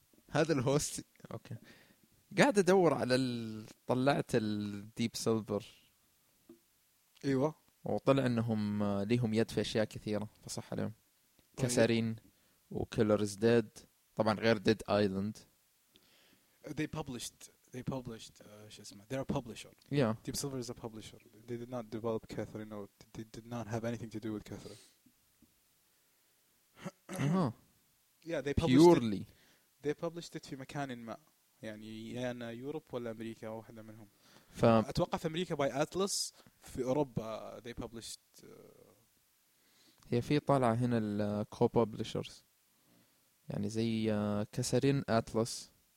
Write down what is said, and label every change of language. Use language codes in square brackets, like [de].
[ar] هذا الهوست. اوكي قاعد ادور على طلعت الديب سيلفر. ايوه وطلع انهم ليهم يد في اشياء كثيره، فصح عليهم. طيب. كسرين وكيلرز ديد، طبعا غير ديد ايلاند. [en] They published [ar] شو اسمه، [en] they're a publisher. Yeah. Deep Silver is a publisher. They did not develop Catherine or they did not have anything to do with Catherine. Yeah, they published purely. They published it [ar] في مكان ما، يعني يانا يوروب ولا امريكا او واحده منهم. اتوقع في امريكا باي اتلس، في اوروبا [en] they published. [ar] هي في طالع هنا الكو ببلشرز يعني زي كاثرين اتلس.